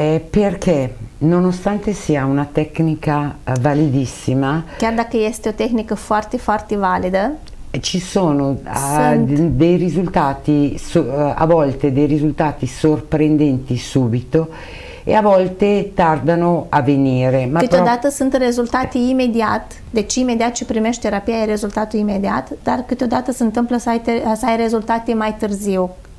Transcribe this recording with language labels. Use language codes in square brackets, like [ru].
[it] Perché nonostante sia una tecnica validissima, [ro] chiar dacă este o tehnică foarte, foarte validă, [it] ci sono dei risultati, a volte dei risultati sorprendenti subito, e a volte tardano a venire. [ro] Ma câteodată sunt rezultate imediat, deci imediat ce primești terapia e rezultatul imediat, dar câteodată se întâmplă să ai rezultate mai târziu.